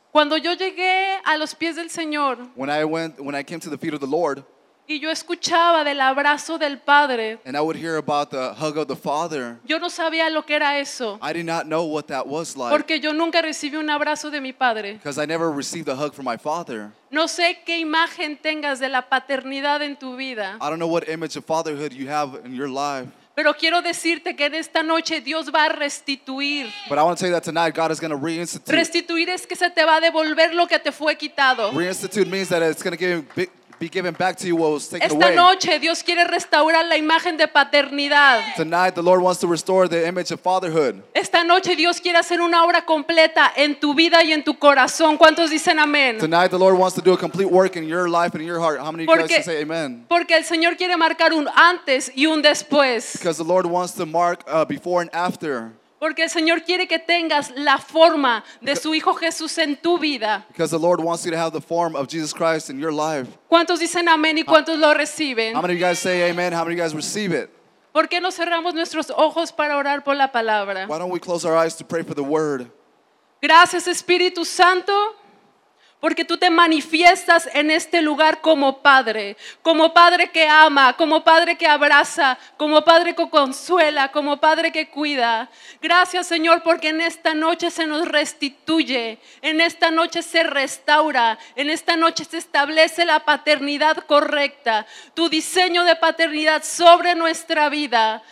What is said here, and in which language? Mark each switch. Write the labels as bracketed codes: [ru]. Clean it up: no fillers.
[es] Cuando yo llegué a los pies del Señor. [en] When I came to the feet of the Lord. [es] Y yo escuchaba del abrazo del Padre. [en] And I would hear about the hug of the Father. [es] Yo no sabía lo que era eso. [en] I did not know what that was like. [es] Porque yo nunca recibí un abrazo de mi Padre. [en] Because I never received a hug from my Father. [es] No sé qué imagen tengas de la paternidad en tu vida. [en] I don't know what image of fatherhood you have in your life. [es] Pero quiero decirte que en esta noche Dios va a restituir. [en] But I want to tell you that tonight God is going to reinstitute. [es] Restituir es que se te va a devolver lo que te fue quitado. [en] Reinstitute means that it's going to give big be given back to you what was taken [es] esta [en] away. [es] Noche, Dios quiere restaurar la imagen de paternidad. [en] Tonight, the Lord wants to restore the image of fatherhood. [es] Esta noche, Dios quiere hacer una obra completa en tu vida y en tu corazón. ¿Cuántos dicen amén? [en] Tonight, the Lord wants to do a complete work in your life and in your heart. How many [es] porque, [en] of you guys can say amen? [es] Porque el Señor quiere marcar un antes y un después. [en] Because the Lord wants to mark before and after. [es] Porque el Señor quiere que tengas la forma de su Hijo Jesús en tu vida. [en] Because the Lord wants you to have the form of Jesus Christ in your life. [es] ¿Cuántos dicen amén y cuántos lo reciben? [en] How many of you guys say amen? How many of you guys receive it? [es] ¿Por qué no cerramos nuestros ojos para orar por la palabra? [en] Why don't we close our eyes to pray for the word? [es] Gracias Espíritu Santo. Porque tú te manifiestas en este lugar como padre que ama, como padre que abraza, como padre que consuela, como padre que cuida. Gracias, Señor, porque en esta noche se nos restituye, en esta noche se restaura, en esta noche se establece la paternidad correcta, tu diseño de paternidad sobre nuestra vida.